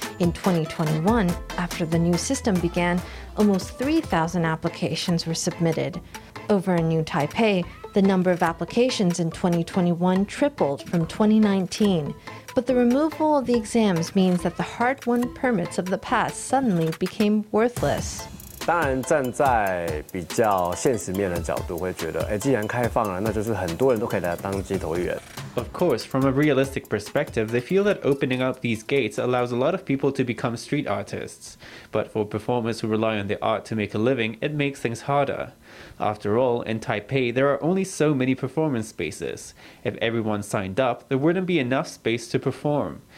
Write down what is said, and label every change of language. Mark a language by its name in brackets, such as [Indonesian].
[English] In 2021, after the new system began, almost 3,000 applications were submitted. Over in New Taipei, the number of applications in 2021 tripled from 2019. But the removal of the exams means that the hard-won permits of the past suddenly became worthless. [Chinese] 当然站在比较现实面的角度会觉得，既然开放了，那就是很多人都可以来当街头艺人。 [English] Of course, from a realistic perspective, they feel that opening up these gates allows a lot of people to become street artists. But for performers who rely on their art to make a living, it makes things harder. After all, in Taipei, there are only so many performance spaces. If everyone signed up, there wouldn't be enough space to perform.